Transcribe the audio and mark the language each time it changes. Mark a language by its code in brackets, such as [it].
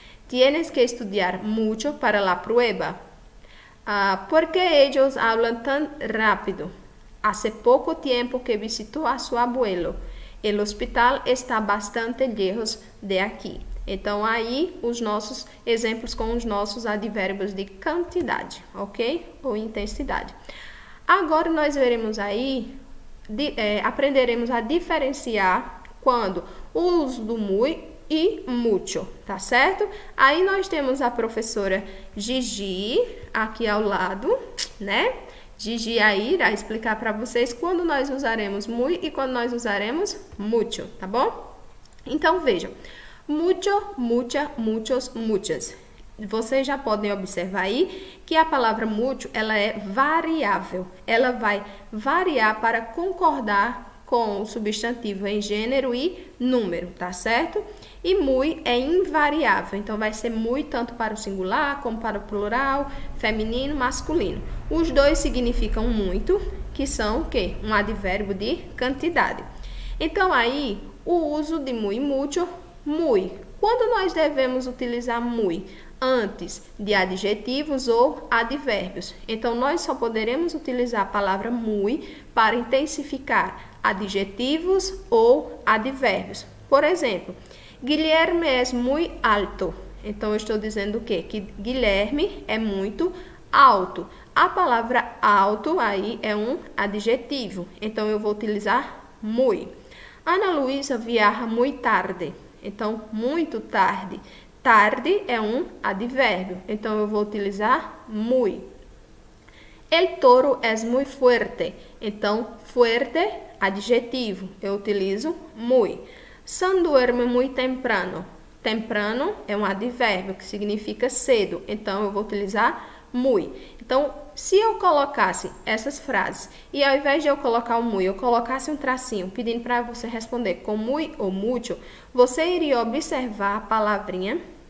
[es] Tienes que estudiar mucho para la prueba. ¿Por qué ellos hablan tan rápido? Hace poco tiempo que visitó a su abuelo. El hospital está bastante lejos de aqui. [pt] Então, aí os nossos exemplos com os nossos advérbios de quantidade, ok? Ou intensidade. Agora nós veremos aí, aprenderemos a diferenciar quando o uso do muy e mucho, tá certo? Aí nós temos a professora Gigi aqui ao lado, né? Gigi aí irá explicar para vocês quando nós usaremos muy e quando nós usaremos mucho, tá bom? Então vejam: mucho, mucha, muchos, muchas. Vocês já podem observar aí que a palavra mucho, ela é variável. Ela vai variar para concordar com o substantivo em gênero e número, tá certo? E muy é invariável, então vai ser muy tanto para o singular como para o plural, feminino, masculino. Os dois significam muito, que são o quê? Um advérbio de quantidade. Então aí, o uso de muy e mucho, muy. Quando nós devemos utilizar muy? Antes de adjetivos ou advérbios. Então nós só poderemos utilizar a palavra muy para intensificar adjetivos ou advérbios. Por exemplo, Guilherme é muito alto. Então, eu estou dizendo o quê? Que Guilherme é muito alto. A palavra alto aí é um adjetivo. Então, eu vou utilizar muy. Ana Luísa viaja muito tarde. Então, muito tarde. Tarde é um advérbio. Então, eu vou utilizar muy. El toro é muito fuerte. Então, fuerte, adjetivo. Eu utilizo muy. [es] San duerme muy temprano. [pt] Temprano é um advérbio que significa cedo. Então eu vou utilizar muy. Então, se eu colocasse essas frases e ao invés de eu colocar o muy, eu colocasse um tracinho pedindo para você responder com muy ou mucho, você iria observar a palavrinha